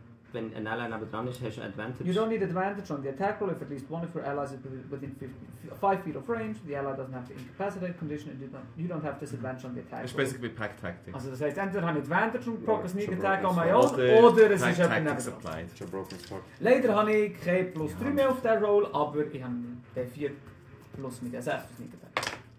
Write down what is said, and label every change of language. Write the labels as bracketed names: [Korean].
[German] Wenn ein Ally aber dran ist, hast du Advantage. [English] You don't need Advantage on the attack roll if at least one of your allies is within 5 feet of range. The ally doesn't have the incapacitate condition and you don't have disadvantage on the attack roll. It's basically pack tactics. [German] Also das heißt, entweder habe ich Advantage und proke Sneak Attack [English] on my own [German] oder es ist ein Advantage. Leider habe ich kein plus 3 mehr auf der Roll, aber ich habe den 4 plus mit der 6 Sneak Attack.